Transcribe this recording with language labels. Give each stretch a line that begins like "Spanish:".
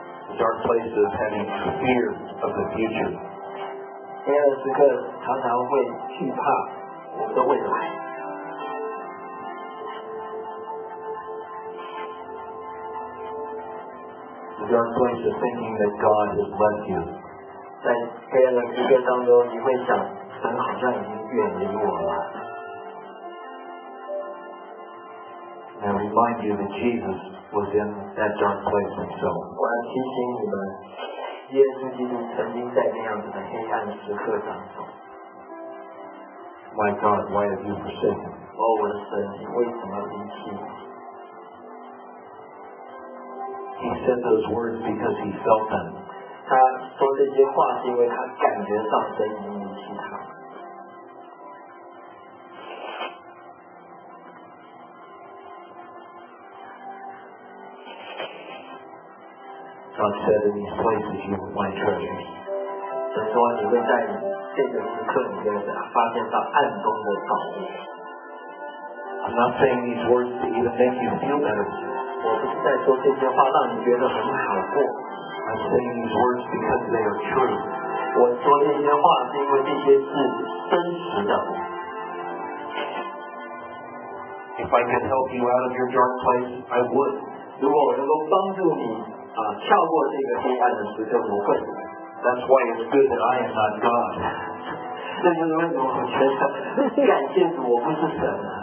English: The dark place of having fear of the future.
Chinese: 黑暗的时刻常常会惧怕我们的未来。
English: The dark place of thinking that God has left you.
Chinese: 在黑暗的时刻当中，你会想，神好像已经远离我了。
English: And remind you that Jesus was in that dark place himself.
Chinese: 我要提醒你们，耶稣基督曾经在那样子的黑暗时刻当中。
English: My God, why have you forsaken?
Chinese: 哦，我的神，你为什么离弃我？
English: He said those words because he felt them.
Chinese: 他说这些话是因为他感觉到神已经离弃他。
English: God said in these places you will find treasures.
Chinese: 神说你会在这个时刻里面发现到暗中的宝物。
English: I'm not saying these words to even make you feel better.
Chinese: 我不是在说这些话让你觉得很好过。
English: I'm saying these words because they are true.
Chinese: 我说这些话是因为这些是真实的。
English: If I could help you out of your dark place, I would.
Chinese: 如果我能够帮助你跳过这个黑暗的时刻，我会。
English: That's why it's good that I am not God.
Chinese: 这就是为什么我觉得感谢主，我不是神。